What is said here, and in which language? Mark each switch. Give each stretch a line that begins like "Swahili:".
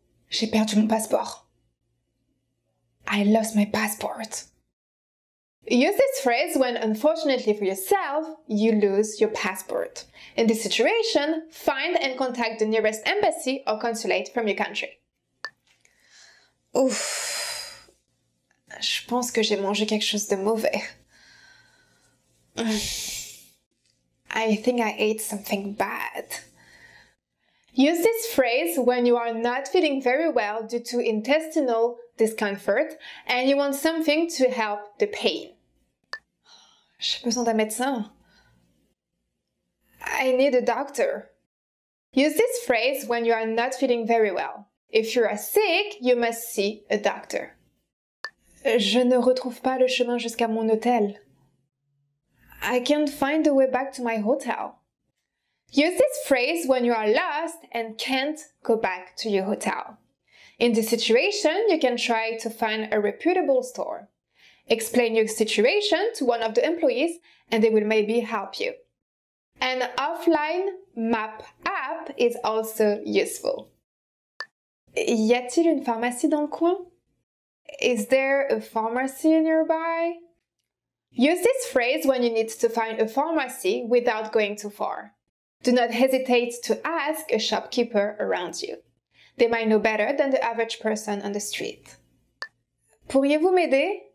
French: J'ai perdu mon passeport.
English: I lost my passport. Use this phrase when, unfortunately for yourself, you lose your passport. In this situation, find and contact the nearest embassy or consulate from your country. Ouf.
French: Je pense que j'ai mangé quelque chose de mauvais.
English: I think I ate something bad. Use this phrase when you are not feeling very well due to intestinal discomfort and you want something to help the pain.
French: J'ai besoin d'un médecin.
English: I need a doctor. Use this phrase when you are not feeling very well. If you are sick, you must see a doctor.
French: Je ne retrouve pas le chemin jusqu'à mon hôtel.
English: I can't find the way back to my hotel. Use this phrase when you are lost and can't go back to your hotel. In this situation, you can try to find a reputable store. Explain your situation to one of the employees and they will maybe help you. An offline map app is also useful.
French: Y a-t-il une pharmacie dans le coin?
English: Is there a pharmacy nearby? Use this phrase when you need to find a pharmacy without going too far. Do not hesitate to ask a shopkeeper around you. They might know better than the average person on the street.
French: Pourriez-vous m'aider?